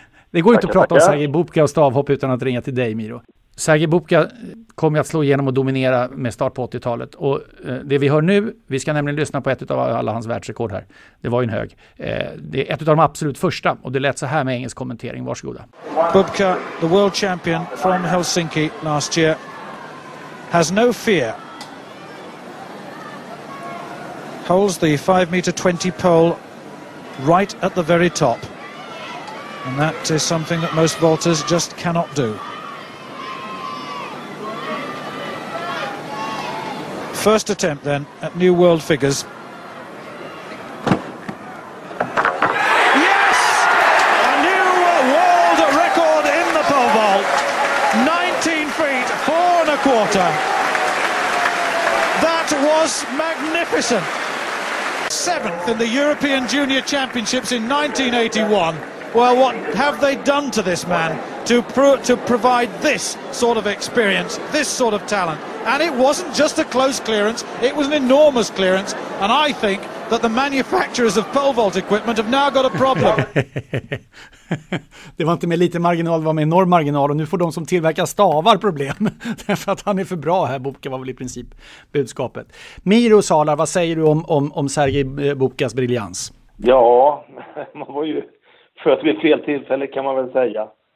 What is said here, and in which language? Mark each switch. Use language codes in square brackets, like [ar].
[sv] Det går ju inte att prata om Sergej Bubka och stavhopp utan att ringa till dig, Miro. Sergej Bubka kom ju att slå igenom och dominera med start på 80-talet. Och det vi hör nu, vi ska nämligen lyssna på ett av alla hans världsrekord här. Det var ju en hög. Det är ett av de absolut första, och det lät så här med engelsk kommentering. Varsågoda. [en] Bubka, the world champion from Helsinki last year, has no fear. Holds the 5-meter 20 pole right at the very top. And that is something that most vaulters just cannot do. First attempt then at new world figures. Yes! A new world record in the pole vault. 19 feet, 4 1/4. That was magnificent. 7th in the European Junior Championships in 1981. Well, what have they done to this man to provide this sort of experience, this sort of talent? And it wasn't just a close clearance, it was an enormous clearance. And I think that the manufacturers of pole vault equipment have now got a problem. [sv] Det var inte med lite marginal, det var med enorm marginal, och nu får de som tillverkar stavar problem därför att han är för bra här. Bubka var väl i princip budskapet. Miro Salar, vad säger du om Sergej Bubkas briljans? Ja, man var ju född vid fel tillfälle, kan man väl säga.